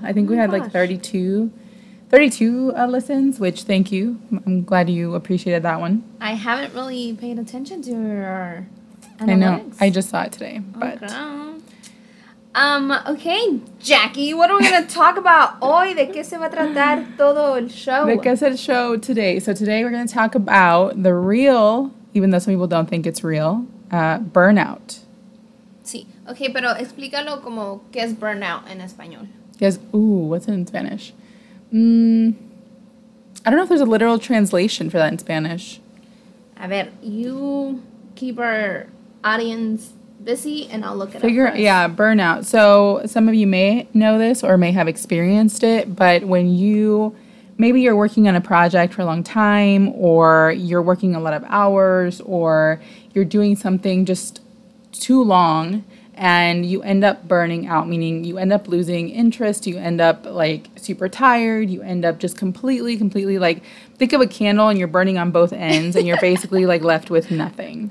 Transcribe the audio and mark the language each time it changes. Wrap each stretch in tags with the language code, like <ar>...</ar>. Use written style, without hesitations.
<en>I think we had like 32 listens, which thank you. I'm glad you appreciated that one. I haven't really paid attention to your analytics. I know. I just saw it today. But. Okay. Okay, Jackie, what are we going to talk about</en> <es>hoy? ¿De qué se va a tratar todo el show? ¿De qué es el show</es> <en>today? So today we're going to talk about the real, even though some people don't think it's real, burnout.</en> <es>Okay, pero explícalo como, ¿qué es burnout en español?</es> <en>Yes, ooh, what's it in Spanish? I don't know if there's a literal translation for that in Spanish. A ver, you keep our audience busy and I'll look it up. Yeah, burnout. So some of you may know this or may have experienced it, but when you, maybe you're working on a project for a long time or you're working a lot of hours or you're doing something just too long, and you end up burning out, meaning you end up losing interest, you end up, like, super tired, you end up just completely, like, think of a candle and you're burning on both ends, and you're basically, like, left with nothing.</en>